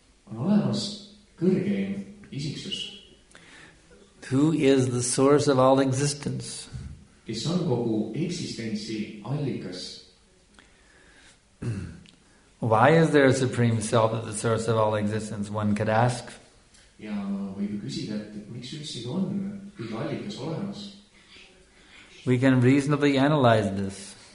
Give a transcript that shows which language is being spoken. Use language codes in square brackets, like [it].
[et] On olemas kõrgeim isiksus. [en] Who is the source of all existence? [et] Kes on kogu eksistentsi allikas? [en] Why is there a supreme self at the source of all existence? One could ask. [et] Ja võib küsida, et miks üldse on kõige allikas olemas? [en] We can reasonably analyze this.